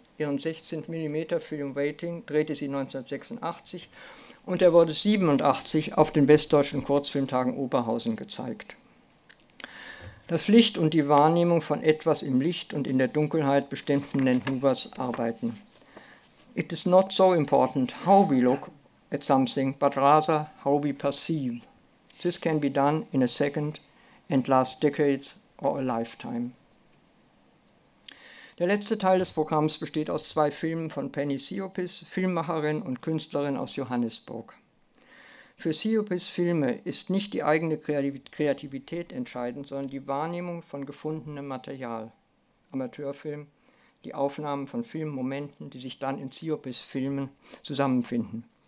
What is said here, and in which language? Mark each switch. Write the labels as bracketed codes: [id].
[de] Ihren 16mm-Film Waiting drehte sie 1986 und er wurde 1987 auf den Westdeutschen Kurzfilmtagen Oberhausen gezeigt. Das Licht und die Wahrnehmung von etwas im Licht und in der Dunkelheit bestimmten Nan Hoovers Arbeiten. [en] "It is not so important how we look at something, but rather how we perceive. This can be done in a second and last decades or a lifetime." [de] Der letzte Teil des Programms besteht aus zwei Filmen von Penny Siopis, Filmmacherin und Künstlerin aus Johannesburg. Für Siopis Filme ist nicht die eigene Kreativität entscheidend, sondern die Wahrnehmung von gefundenem Material. Amateurfilm, die Aufnahmen von Filmmomenten, die sich dann in Siopis Filmen zusammenfinden.